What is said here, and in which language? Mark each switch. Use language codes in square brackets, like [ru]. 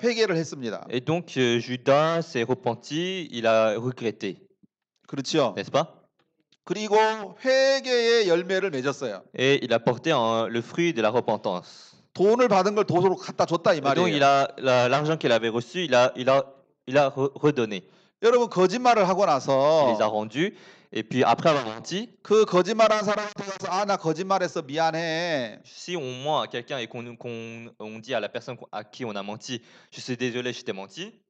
[ko] 회개를 했습니다. [fr] Et donc Judas s'est repenti, il a regretté. [ko] 그렇죠? [fr] N'est-ce pas? [ko] 그리고 회개의 열매를 맺었어요. [fr] Et il a porté le fruit de la repentance. [ko] 돈을 받은 걸 도로 갖다 줬다 이 [fr] Et donc [ko] 말이에요. [fr] l'argent qu'il avait reçu, il a redonné. [ko] 여러분, 거짓말을 하고 [fr] Il les a [ko] 나서 [fr] rendus, et puis après avoir menti, [ko] 그 거짓말한 사람한테 가서 아, 나 거짓말했어. 미안해. [fr] si on ment à quelqu'un et qu'on dit à la personne à qui on a menti, je suis désolé, je t'ai menti,